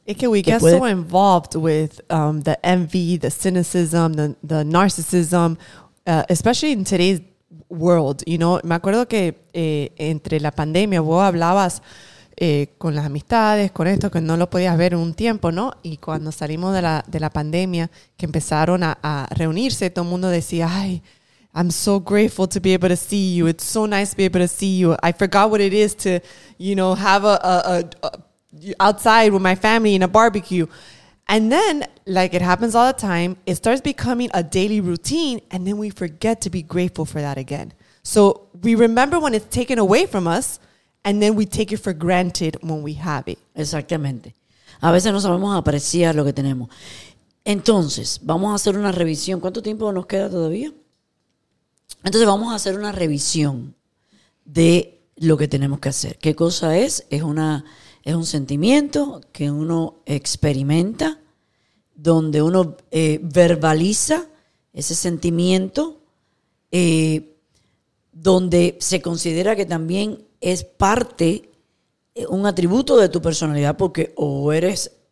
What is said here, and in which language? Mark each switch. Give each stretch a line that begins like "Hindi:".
English: It can, we get so involved with the envy, the cynicism, the narcissism, especially in today's world, you know.
Spanish: Me acuerdo que entre la pandemia vos hablabas con las amistades, con esto, que no lo podías ver un tiempo, ¿no? Y cuando salimos de la pandemia, que empezaron a reunirse, todo el mundo decía, ay,
English: I'm so grateful to be able to see you. It's so nice to be able to see you. I forgot what it is to, you know, have a outside with my family in a barbecue. And then, like it happens all the time, it starts becoming a daily routine, and then we forget to be grateful for that again. So we remember when it's taken away from us, and then we take it for granted when we have it.
Spanish: Exactamente. A veces no sabemos apreciar lo que tenemos. Entonces, vamos a hacer una revisión. ¿Cuánto tiempo nos queda todavía? Entonces, vamos a hacer una revisión de lo que tenemos que hacer. ¿Qué cosa es? Es un sentimiento que uno experimenta, donde uno verbaliza ese sentimiento, donde se considera que también es parte, un atributo de tu personalidad, porque o eres